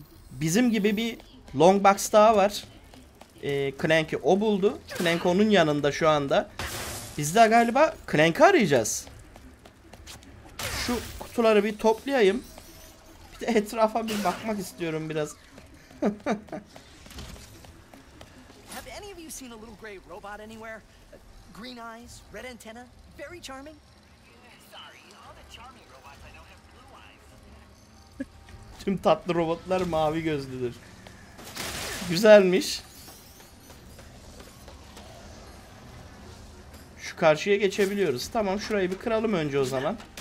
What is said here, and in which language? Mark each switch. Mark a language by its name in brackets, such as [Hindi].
[Turkish] Bizim gibi bir Longbox daha var. Clank'i o buldu. Clank onun yanında şu anda. Biz de galiba Clank'i arayacağız. Şu kutuları bir toplayayım. Etrafa bir bakmak istiyorum biraz. [English] Have any of you seen a little gray robot anywhere? Green eyes, red antenna, very charming. Sorry, all the charming robots I don't have blue eyes. [Turkish] Tüm tatlı robotlar mavi gözlüdür. Güzelmiş. Şu karşıya geçebiliyoruz. Tamam, şurayı bir kıralım önce o zaman.